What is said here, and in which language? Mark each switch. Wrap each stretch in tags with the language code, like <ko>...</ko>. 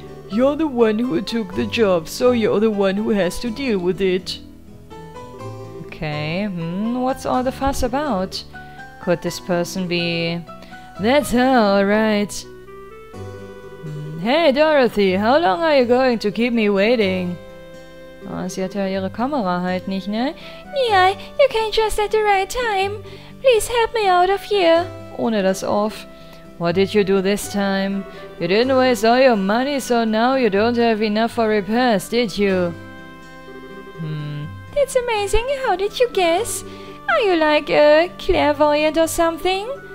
<en>You're the one who took the job, so you're the one who has to deal with it. Okay, what's all the fuss about? Could this person be... That's her, alright. Hey, Dorothy, how long are you going to keep me waiting?</en> <de>Oh, sie hat ja ihre Kamera halt nicht, ne?</de> <en>Nia, you came just at the right time. Please help me out of here.</en> <de>Ohne das off.</de> <en>What did you do this time? You didn't waste all your money, so now you don't have enough for repairs, did you? It's amazing, how did you guess? Are you like a clairvoyant or something?</en>